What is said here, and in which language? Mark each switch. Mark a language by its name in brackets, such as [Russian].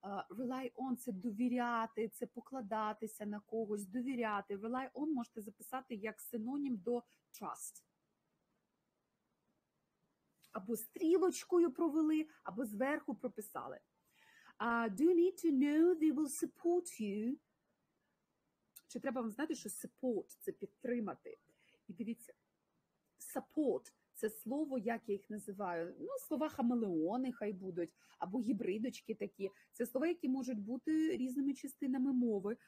[Ukrainian] rely on – це довіряти, це покладатися на когось, довіряти. Rely on можете записати як синонім до trust. Або стрілочкою провели, або зверху прописали. [English] Do you need to know they will support you? [Ukrainian] Чи треба вам знати, що support – це підтримати? І дивіться, support – це слово, як я їх називаю, ну, слова хамелеони хай будуть, або гібридочки такі. Це слова, які можуть бути різними частинами мови.